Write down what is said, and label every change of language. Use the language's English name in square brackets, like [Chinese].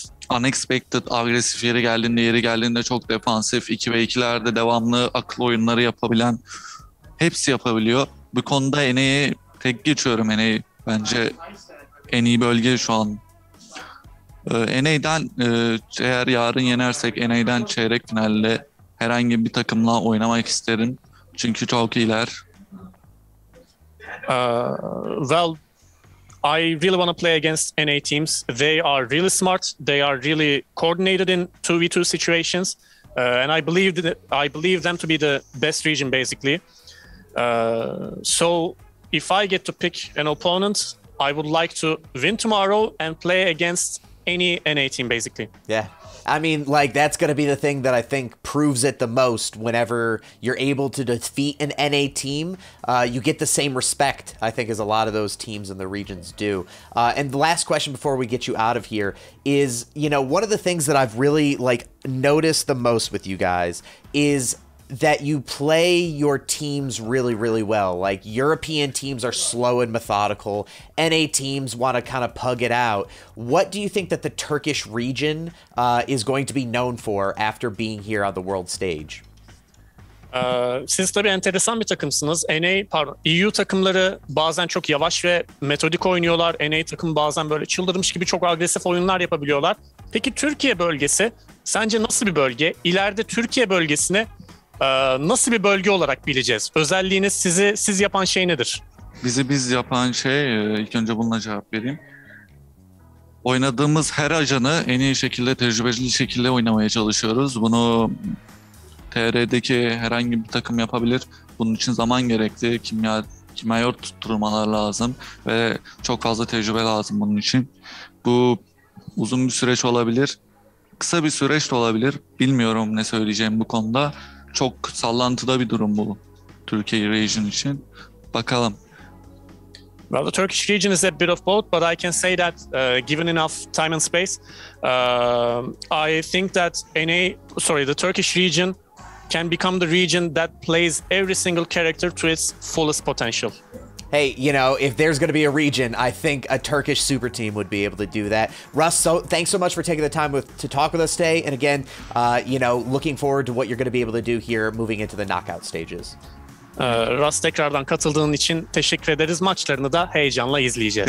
[Turkish] Unexpected, agresif yeri geldiğinde çok defansif, 2v2'lerde devamlı akıl oyunları yapabilen, hepsi yapabiliyor. Bu konuda NA'yı tek geçiyorum. NA'yı bence en iyi bölge şu an. NA'den eğer yarın yenersek NA'den çeyrek finalde herhangi bir takımla oynamak isterim. Çünkü çok iyiler. [English] Well, I really want to play against NA teams. They are really smart. They are really coordinated in 2v2 situations. And I believe them to be the best region, basically. So if I get to pick an opponent, I would like to win tomorrow and play against any NA team, basically. Yeah. I mean, like, that's going to be the thing that I think proves it the most. Whenever you're able to defeat an NA team, you get the same respect, I think, as a lot of those teams in the regions do. And the last question before we get you out of here is, you know, one of the things that I've really, like, noticed the most with you guys is that you play your teams really, really well. Like, European teams are slow and methodical. NA teams want to kind of pug it out. What do you think that the Turkish region is going to be known for after being here on the world stage? [Turkish] Siz tabii enteresan bir takımsınız. EU takımları bazen çok yavaş ve metodik oynuyorlar. NA takımı bazen böyle çıldırmış gibi çok agresif oyunlar yapabiliyorlar. Peki Türkiye bölgesi sence nasıl bir bölge? İleride Türkiye bölgesine nasıl bir bölge olarak bileceğiz? Özelliğiniz siz yapan şey nedir? Biz yapan şey, ilk önce bununla cevap vereyim. Oynadığımız her ajanı en iyi şekilde, tecrübeli şekilde oynamaya çalışıyoruz. Bunu TR'deki herhangi bir takım yapabilir. Bunun için zaman gerekli, kimyayı tutturmalar lazım ve çok fazla tecrübe lazım bunun için. Bu uzun bir süreç olabilir, kısa bir süreç de olabilir. Bilmiyorum ne söyleyeceğim bu konuda. Çok sallantıda bir durum bu Türkiye region için. Bakalım. [English] Well, the Turkish region is a bit of both, but I can say that given enough time and space, I think that the Turkish region can become the region that plays every single character to its fullest potential. Hey, you know, if there's going to be a region, I think a Turkish super team would be able to do that. Russ, so thanks so much for taking the time to talk with us today. And again, looking forward to what you're going to be able to do here moving into the knockout stages. [Turkish] Russ, tekrardan katıldığın için teşekkür ederiz. Maçlarını da heyecanla izleyeceğiz.